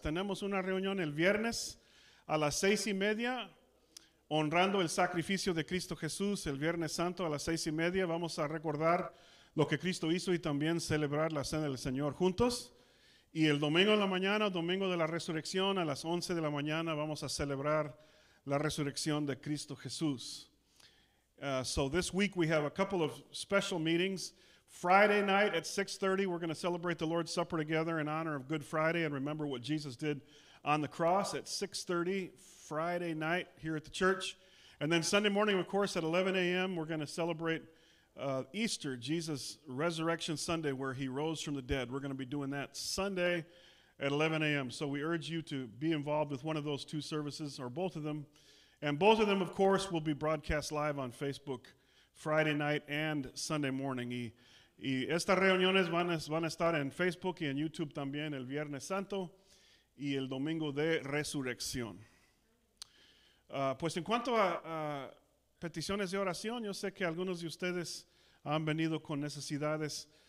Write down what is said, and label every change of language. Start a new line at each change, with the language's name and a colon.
Spanish: Tenemos una reunión el viernes a las 6:30, honrando el sacrificio de Cristo Jesús. El viernes santo a las 6:30 vamos a recordar lo que Cristo hizo y también celebrar la cena del Señor juntos. Y el domingo en la mañana, domingo de la resurrección, a las 11 de la mañana vamos a celebrar la resurrección de Cristo Jesús.
English: So this week we have a couple of special meetings. Friday night at 6:30, we're going to celebrate the Lord's Supper together in honor of Good Friday and remember what Jesus did on the cross at 6:30 Friday night here at the church. And then Sunday morning, of course, at 11 a.m., we're going to celebrate Easter, Jesus' Resurrection Sunday, where he rose from the dead. We're going to be doing that Sunday at 11 a.m. So we urge you to be involved with one of those two services or both of them. And both of them, of course, will be broadcast live on Facebook Friday night and Sunday morning.
Spanish: Y estas reuniones van a estar en Facebook y en YouTube también el Viernes Santo y el Domingo de Resurrección. Pues en cuanto a peticiones de oración, yo sé que algunos de ustedes han venido con necesidades.